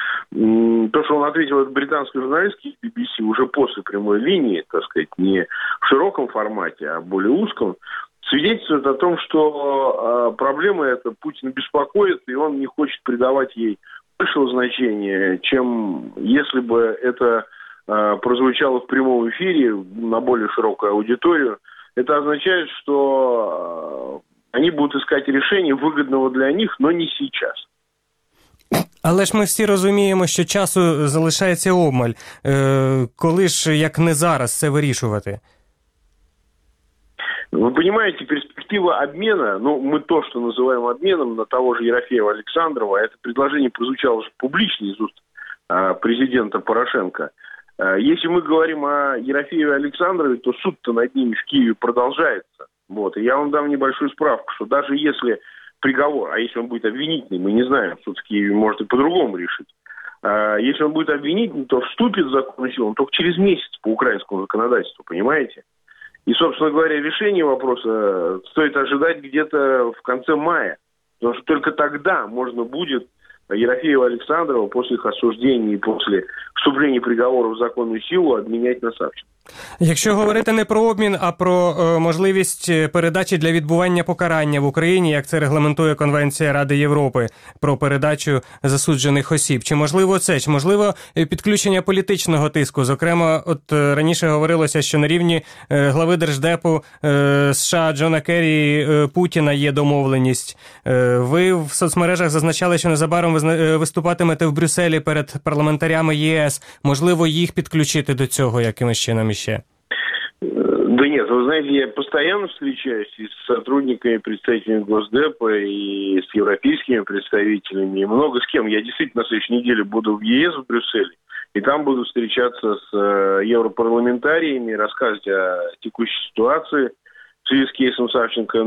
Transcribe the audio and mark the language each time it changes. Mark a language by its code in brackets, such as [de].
[ru] То, что он ответил от британской журналистки BBC уже после прямой линии, так сказать, не в широком формате, а более узком, свидетельствует о том, что проблема эта Путин беспокоит, и он не хочет придавать ей большего значения, чем если бы это прозвучало в прямом эфире на более широкую аудиторию. Это означает, что они будут искать решение выгодного для них, но не сейчас. [uk] Але ж ми всі розуміємо, що часу залишається обмаль. Коли ж, як не зараз, це вирішувати? [ru] Вы понимаете, перспектива обмена, ну, мы то, что называем обменом, на того же Ерофеева Александрова, это предложение прозвучало уже публично из уст президента Порошенко. Если мы говорим о Ерофееве Александрове, то суд-то над ними в Киеве продолжается. Вот, и я вам дам небольшую справку, что даже если приговор, а если он будет обвинительный, мы не знаем, суд в Киеве может и по-другому решить. Если он будет обвинительный, то вступит в закон силу, он только через месяц по украинскому законодательству, понимаете? И, собственно говоря, решение вопроса стоит ожидать где-то в конце мая. Потому что только тогда можно будет Ерофеева Александрова после их осуждения и после вступления приговора в законную силу обменять на Савченко. [uk] Якщо говорити не про обмін, а про можливість передачі для відбування покарання в Україні, як це регламентує Конвенція Ради Європи про передачу засуджених осіб. Чи можливо це? Чи можливо підключення політичного тиску? Зокрема, от раніше говорилося, що на рівні глави Держдепу США Джона Керрі Путіна є домовленість. Ви в соцмережах зазначали, що незабаром виступатимете в Брюсселі перед парламентарями ЄС. Можливо їх підключити до цього якимось чином? [ru] Еще. Да нет, вы знаете, я постоянно встречаюсь и с сотрудниками, представителями Госдепа, и с европейскими представителями, и много с кем. Я действительно на следующей неделе буду в ЕС в Брюсселе, и там буду встречаться с европарламентариями, рассказывать о текущей ситуации в связи с кейсом Савченко.